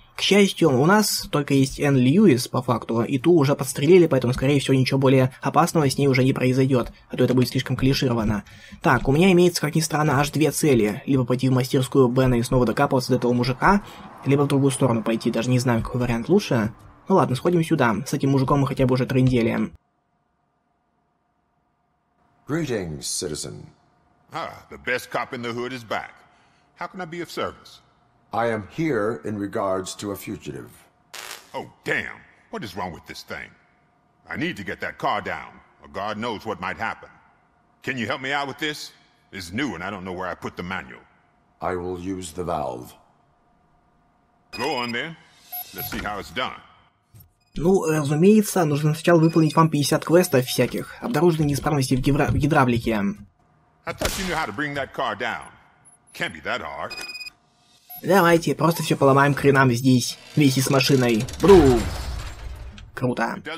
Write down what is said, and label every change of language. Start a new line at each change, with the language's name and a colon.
Russian: К счастью, у нас только есть Энн Льюис, по факту, и ту уже подстрелили, поэтому, скорее всего, ничего более опасного с ней уже не произойдет, а то это будет слишком клишировано. Так, у меня имеется, как ни странно, аж две цели. Либо пойти в мастерскую Бена и снова докапываться до этого мужика, либо в другую сторону пойти, даже не знаю, какой вариант лучше. Ну ладно, сходим сюда, с этим мужиком мы хотя бы уже трындели.
English: Greetings, citizen. Ah, the best cop in the hood is back. How can I be of service? I am here in regards to a fugitive. Oh, damn. What is wrong with this thing? I need to get that car down, or God knows what might happen. Can you help me out with this? It's new and I don't know where I put the manual. I will use the valve. Go on then. Let's see how it's done.
Russian: Ну, разумеется, нужно сначала выполнить вам 50 квестов всяких, обнаруженные неисправности в гидравлике.
English: I thought you knew how to bring that car down. Can't be that hard.
Russian: Давайте, просто все поломаем к хренам здесь, вместе с машиной. Брум! Круто.